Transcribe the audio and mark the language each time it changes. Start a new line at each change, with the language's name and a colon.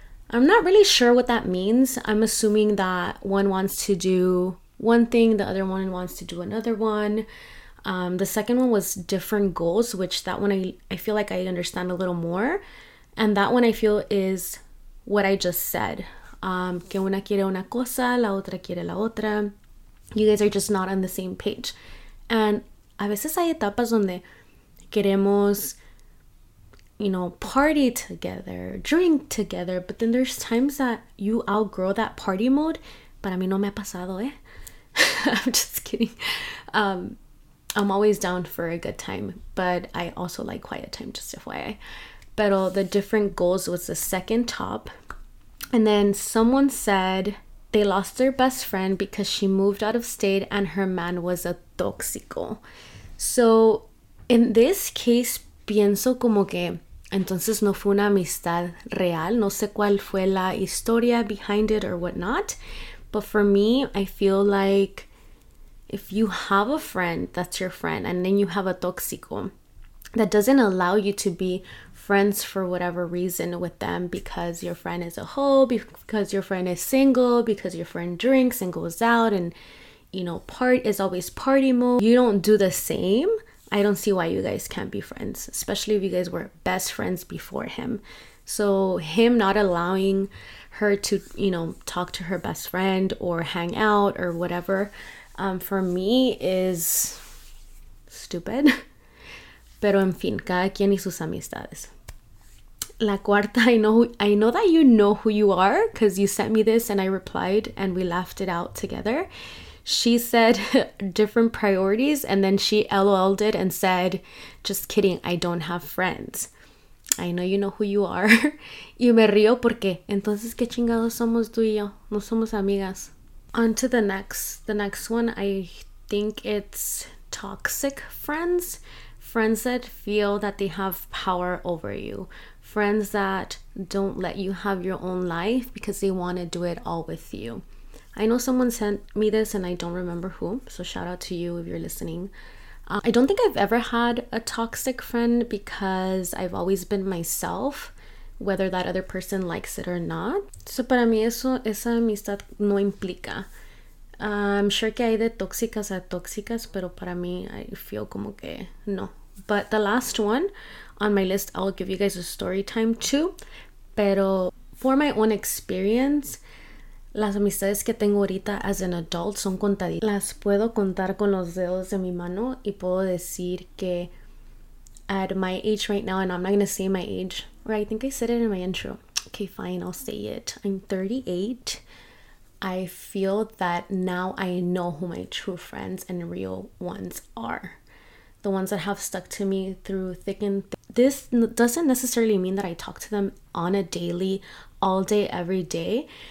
English: I'm not really sure what that means. I'm assuming that one wants to do one thing, the other one wants to do another one. The second one was different goals, which that one I feel like I understand a little more. And that one I feel is what I just said.
Spanish: Que una quiere una cosa, la otra quiere la otra.
English: You guys are just not on the same page. And
Spanish: a veces hay etapas donde queremos,
English: you know, party together, drink together, but then there's times that you outgrow that party mode.
Spanish: Para mí no me ha pasado, eh?
English: I'm just kidding. I'm always down for a good time, but I also like quiet time, just FYI. But the different goals was the second top. And then someone said they lost their best friend because she moved out of state and her man was a tóxico. So in this case,
Spanish: pienso como que entonces no fue una amistad real. No sé cuál fue la historia
English: behind it or whatnot. But for me, I feel like if you have a friend that's your friend and then you have a tóxico that doesn't allow you to be friends for whatever reason with them, because your friend is a hoe, because your friend is single, because your friend drinks and goes out and, you know, is always party mode, you don't do the same. I don't see why you guys can't be friends, especially if you guys were best friends before him. So him not allowing her to, you know, talk to her best friend or hang out or whatever, for me is stupid.
Spanish: Pero en fin, cada quien y sus amistades. La cuarta,
English: I know that you know who you are because you sent me this and I replied and we laughed it out together. She said different priorities and then she LOL'd it and said, just kidding, I don't have friends. I know you know who you are.
Spanish: Y me río porque, entonces, ¿qué chingados somos tú y yo? No somos amigas.
English: On to the next. The next one, I think it's toxic friends. Friends that feel that they have power over you. Friends that don't let you have your own life because they want to do it all with you. I know someone sent me this and I don't remember who, so shout out to you if you're listening. I don't think I've ever had a toxic friend because I've always been myself, whether that other person likes it or not.
Spanish: So para mí eso, esa amistad no implica.
English: I'm sure
Spanish: que hay de tóxicas a tóxicas, pero para mí,
English: I feel
Spanish: como que no.
English: But the last one on my list, I'll give you guys a story time too.
Spanish: Pero
English: for my own experience,
Spanish: las amistades que tengo ahorita
English: as an adult
Spanish: son contaditas. Las puedo contar con los dedos de mi mano y puedo decir que
English: at my age right now, and I'm not going to say my age, or I think I said it in my intro. Okay, fine, I'll say it. I'm 38. I feel that now I know who my true friends and real ones are. The ones that have stuck to me through thick and thin. This doesn't necessarily mean that I talk to them on a daily, all day, every day.